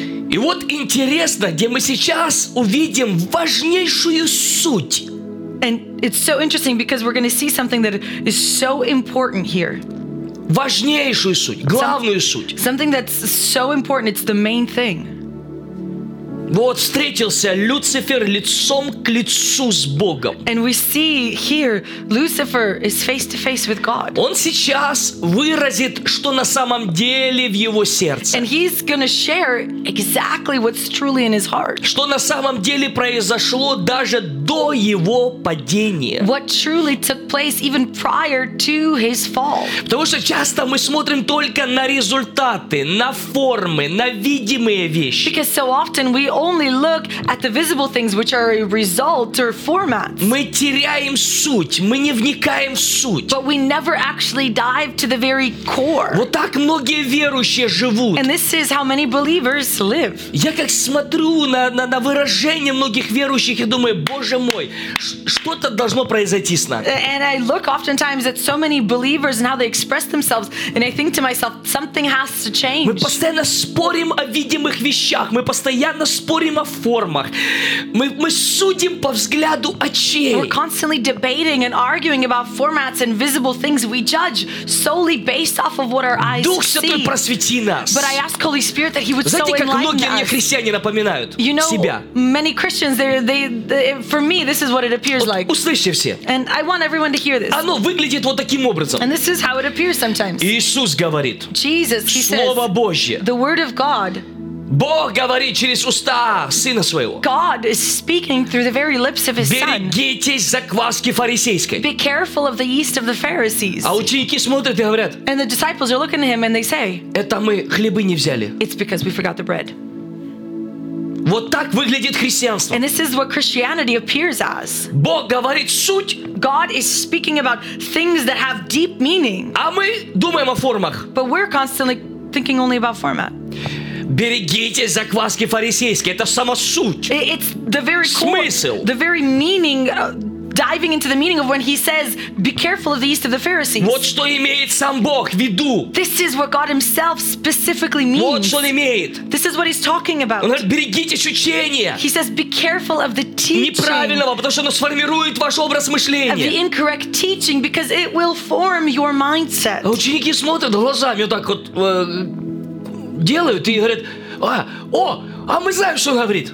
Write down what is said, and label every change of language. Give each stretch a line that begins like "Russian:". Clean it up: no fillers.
Russian: И вот интересно, где мы сейчас увидим важнейшую суть.
English: And it's so interesting because we're going to see something that is so important here.
Russian: Важнейшую суть, главную суть.
English: Something that's so important, it's the main thing.
Russian: Вот встретился Люцифер лицом к лицу с Богом.
English: And we see here Lucifer is face to face with God.
Russian: Он сейчас выразит, что на самом деле в его сердце.
English: And he's going to share exactly what's truly in his heart.
Russian: Что на самом деле произошло даже до его падения.
English: What truly took place even prior to his fall.
Russian: Потому что часто мы смотрим только на результаты, на формы, на видимые вещи.
English: Because so often we only look at the visible things which are a result or format.
Russian: Мы теряем суть, мы не вникаем в суть.
English: But we never actually dive to the very core.
Russian: Вот так многие верующие живут.
English: And this is how many believers live.
Russian: Я как смотрю на выражение многих верующих и думаю: Боже мой, что-то должно произойти с нами.
English: And I look oftentimes at so many believers and how they express themselves and I think to myself, something has to change.
Russian: Мы постоянно спорим о видимых вещах, мы постоянно спорим о формах. Мы судим по взгляду очей.
English: We're constantly debating and arguing about formats and visible things. We judge solely based off of what our eyes see.
Russian: Дух Святой, просвети нас.
English: But I ask Holy Spirit that He would so enlighten us.
Russian: Знаете, как многие мне христиане напоминают себя?
English: You know, many Christians, for me, this is what it appears like.
Russian: Услышьте все.
English: And I want everyone to hear this.
Russian: Оно выглядит вот таким образом.
English: And this is how it appears sometimes.
Russian: Иисус говорит.
English: Jesus, He says.
Russian: Слово Божье.
English: The Word of God.
Russian: Бог говорит через уста Сына Своего.
English: God is speaking through the very lips of His Son.
Russian: Берегитесь закваски фарисейской.
English: Be careful of the yeast of the Pharisees.
Russian: А ученики смотрят и говорят.
English: And the disciples are looking at Him and they say.
Russian: Это мы хлебы не взяли.
English: It's because we forgot the bread.
Russian: Вот так выглядит христианство.
English: And this is what Christianity appears as.
Russian: Бог говорит суть.
English: God is speaking about things that have deep meaning.
Russian: А мы думаем о формах.
English: But we're constantly thinking only about format.
Russian: Берегитесь закваски фарисейской. Это сама суть.
English: It's the very core,
Russian: смысл.
English: The very meaning, diving into the meaning of when he says, be careful of the yeast of the Pharisees.
Russian: Вот что имеет сам Бог в виду.
English: This is what God himself specifically means.
Russian: Вот что он имеет.
English: This is what he's talking about.
Russian: Он говорит, берегитесь учения.
English: He says, be careful of the teaching.
Russian: Неправильного, потому что оно сформирует ваш образ мышления.
English: Of the incorrect teaching, because it will form your mindset.
Russian: А ученики смотрят глазами вот так вот... делают и говорят: «О, А мы знаем, что он говорит.